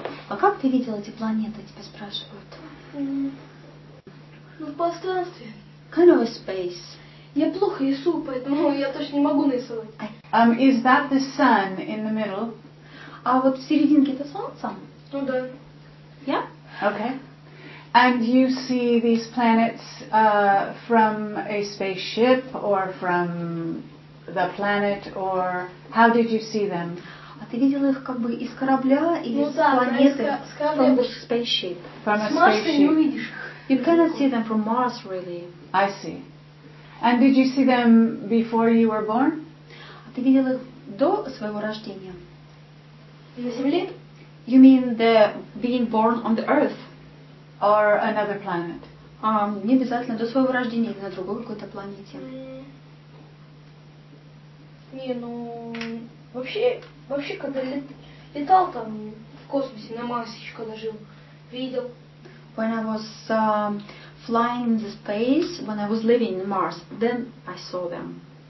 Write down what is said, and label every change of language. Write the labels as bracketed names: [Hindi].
[Russian] А как ты видел эти планеты? Тебя спрашивают. Ну, в пространстве. [English] Kind of a space. [Russian] Я плохо рисую, поэтому я точно не могу нарисовать. [English] Is that the sun in the middle? [Russian] А вот в серединке это солнце? Ну да. [English] Yeah? Okay. And you see these planets from a spaceship or from the planet or how did you see them? [Russian] А ты видел их как бы из корабля или ну, из да, планеты? С корабля. [English] From the spaceship. From [Russian] с С Марса не увидишь их. [English] You cannot see them from Mars, really. I see. And did you see them before you were born? [Russian] А ты видел их до своего рождения? На Земле? [English] You mean the being born on the Earth? Or another planet? [Russian] Не обязательно до своего рождения, или на другой какой-то планете. Не, ну... Вообще, когда летал там в космосе, на Марсе еще когда жил, видел... [English] When I was flying in the space, when I was living in Mars, then I saw them.